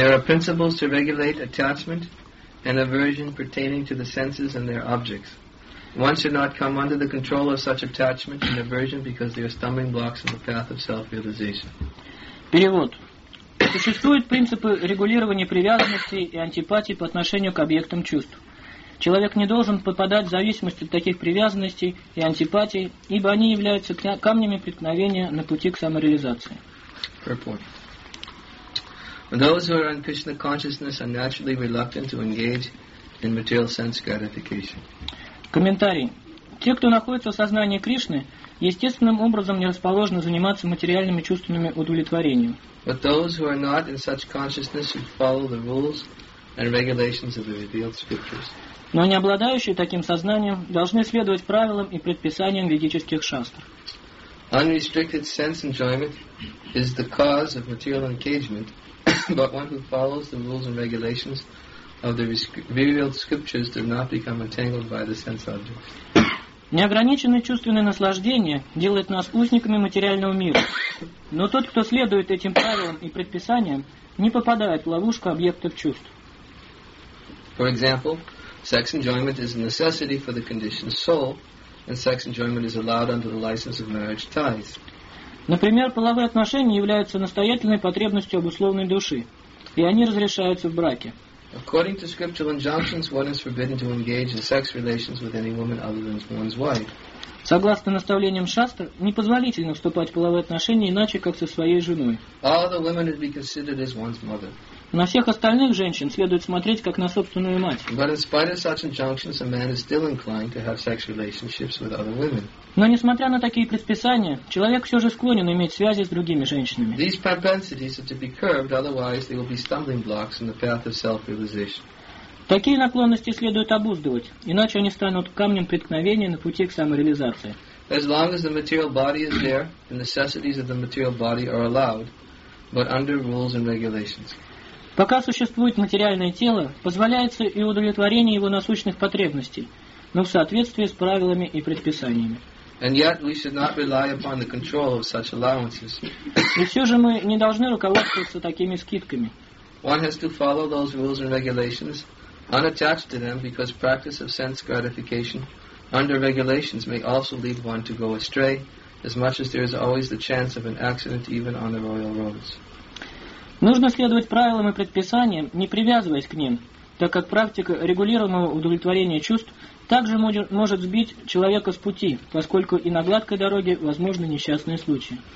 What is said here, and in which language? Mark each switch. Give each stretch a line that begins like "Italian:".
English: There are principles to regulate attachment and aversion pertaining to the senses and their objects. One should not come under the control of such attachment and aversion because they are stumbling blocks in the path of self-realization.
Russian: Перевод. Существуют принципы регулирования привязанностей и антипатий по отношению к объектам чувств. Человек не должен попадать в зависимость от таких привязанностей и антипатий, ибо они являются камнями преткновения на пути к самореализации.
English: Purport. Those who are in Krishna consciousness are naturally reluctant to engage in material sense gratification.
Russian: Комментарий. Те, кто находится в сознании Кришны, естественным образом не расположены заниматься материальными чувствами удовлетворения.
English: But those who are not in such consciousness should follow the rules and regulations of the revealed scriptures.
Russian: Но не обладающие таким сознанием должны следовать правилам и предписаниям ведических шастр.
English: Unrestricted sense enjoyment is the cause of material engagement. But one who follows the rules and regulations of the revealed scriptures does not become entangled by the sense objects.
Russian: Неограниченное чувственное наслаждение делает нас узниками материального мира. Но тот, кто следует этим правилам и предписаниям, не попадает в ловушку объектов чувств.
English: For example, sex enjoyment is a necessity for the conditioned soul, and sex enjoyment is allowed under the license of marriage ties.
Russian: Например, половые отношения являются настоятельной потребностью обусловленной души, и они разрешаются в браке.
English: According to scriptural injunctions, one is forbidden to engage in sex relations with any woman other than one's wife.
Russian: Согласно наставлениям шастр, непозволительно вступать в половые отношения иначе, как со своей женой.
English: All the women would be considered as one's mother.
Russian: На всех остальных женщин следует смотреть как на собственную мать.
English: But in spite of such injunctions, a man is still inclined to have sex relationships with other women.
Russian: Но несмотря на такие предписания, человек все же склонен иметь связи с другими женщинами.
English: These propensities are to be curbed, otherwise they will be stumbling blocks in the path of self-realization.
Russian: Такие наклонности следует обуздывать, иначе они станут камнем преткновения на пути к самореализации.
English: As long as the material body is there, the necessities of the material body are allowed, but under rules and regulations.
Russian: Пока существует материальное тело, позволяется и удовлетворение его насущных потребностей, но в соответствии с правилами и предписаниями.
English: And yet we should not rely upon the control of such allowances.
Russian: И все же мы не должны руководствоваться такими скидками.
English: One has to follow those rules and regulations, unattached to them, because practice of sense gratification under regulations may also lead one to go astray, as much as there is always the chance of an accident even on the royal roads.
Russian: Нужно следовать правилам и предписаниям, не привязываясь к ним, так как практика регулируемого удовлетворения чувств также может сбить человека с пути, поскольку и на гладкой дороге возможны несчастные случаи.